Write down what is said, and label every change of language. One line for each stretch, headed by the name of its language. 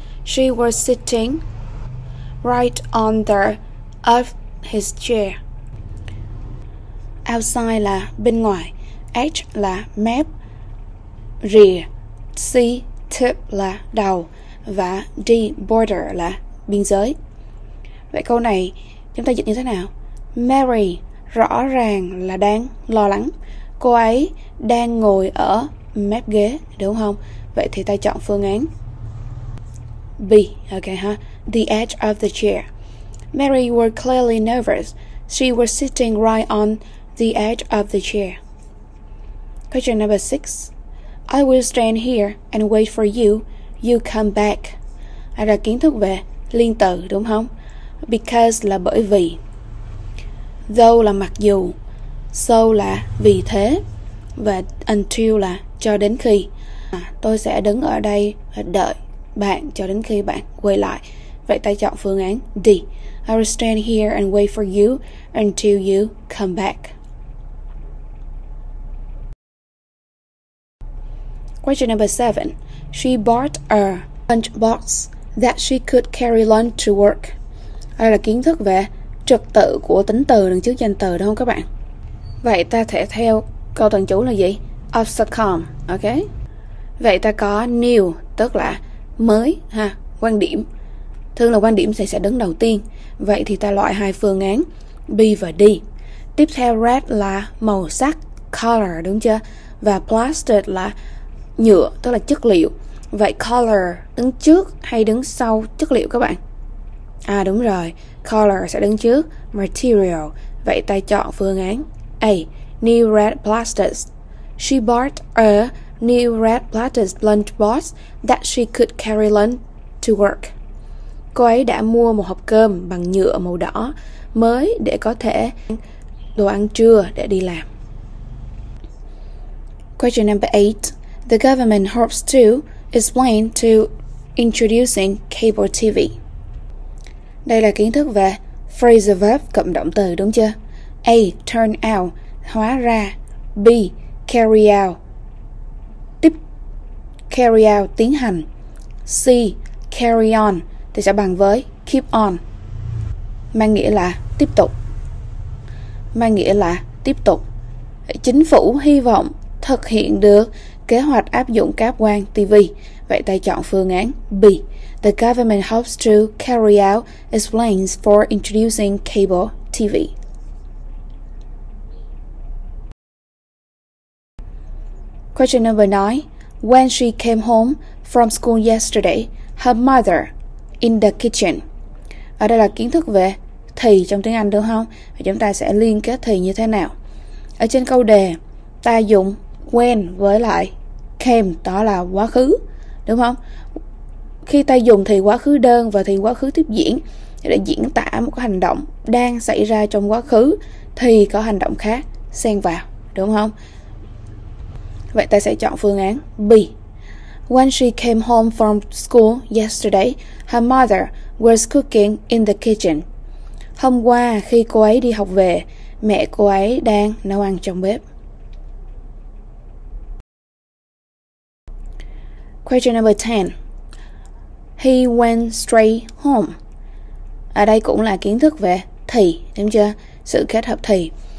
English: She was sitting right on the of his chair.
Vietnamese: Outside là bên ngoài, edge là mép, rear, c tip là đầu và d border là biên giới. Vậy câu này chúng ta dịch như thế nào? Mary rõ ràng là đang lo lắng. Cô ấy đang ngồi ở mép ghế, đúng không? Vậy thì ta chọn phương án B.
English: Okay, huh? The edge of the chair. Mary was clearly nervous. She was sitting right on the edge of the chair. Question number 6. I will stand here and wait for you. You come back.
Vietnamese: Đây là kiến thức về liên từ, đúng không? Because là bởi vì. Though là mặc dù. So là vì thế. Và until là cho đến khi. Tôi sẽ đứng ở đây và đợi bạn cho đến khi bạn quay lại. Vậy ta chọn phương án D.
English: I will stand here and wait for you until you come back. Question number 7. She bought a lunch box that she could carry lunch to work.
Vietnamese: Đây là kiến thức về trật tự của tính từ đằng trước danh từ, đúng không các bạn? Vậy ta sẽ theo câu tuần chú là gì? Of succumb, ok? Vậy ta có new, tức là mới, ha, quan điểm. Thường là quan điểm sẽ đứng đầu tiên. Vậy thì ta loại hai phương án B và D. Tiếp theo red là màu sắc, color, đúng chưa? Và plastic là nhựa, tức là chất liệu. Vậy color đứng trước hay đứng sau chất liệu các bạn? À đúng rồi, color sẽ đứng trước material. Vậy ta chọn phương án A,
English: new red plastic. She bought a new red plastic lunchbox that she could carry lunch to work.
Vietnamese: Cô ấy đã mua một hộp cơm bằng nhựa màu đỏ mới để có thể đồ ăn trưa để đi làm.
English: Question number 8. The government hopes to explain to introducing cable TV.
Vietnamese: Đây là kiến thức về phrasal verb cộng động từ, đúng chưa? A. Turn out, hóa ra. B. Carry out, tiếp. Carry out, tiến hành. C. Carry on, thì sẽ bằng với keep on, mang nghĩa là tiếp tục. Mang nghĩa là tiếp tục. Chính phủ hy vọng thực hiện được kế hoạch áp dụng cáp quang TV. Vậy ta chọn phương án B.
English: The government hopes to carry out its plans for introducing cable TV. Question number 9. When she came home from school yesterday, her mother in the kitchen.
Vietnamese: Ở đây là kiến thức về thì trong tiếng Anh, đúng không? Và chúng ta sẽ liên kết thì như thế nào? Ở trên câu đề, ta dùng when với lại came, đó là quá khứ, đúng không? Khi ta dùng thì quá khứ đơn và thì quá khứ tiếp diễn để diễn tả một cái hành động đang xảy ra trong quá khứ thì có hành động khác xen vào, đúng không? Vậy ta sẽ chọn phương án B.
English: When she came home from school yesterday, her mother was cooking in the kitchen.
Vietnamese: Hôm qua khi cô ấy đi học về, mẹ cô ấy đang nấu ăn trong bếp.
English: Question number 10. He went straight home.
Vietnamese: Ở đây cũng là kiến thức về thì, đúng chưa? Sự kết hợp thì.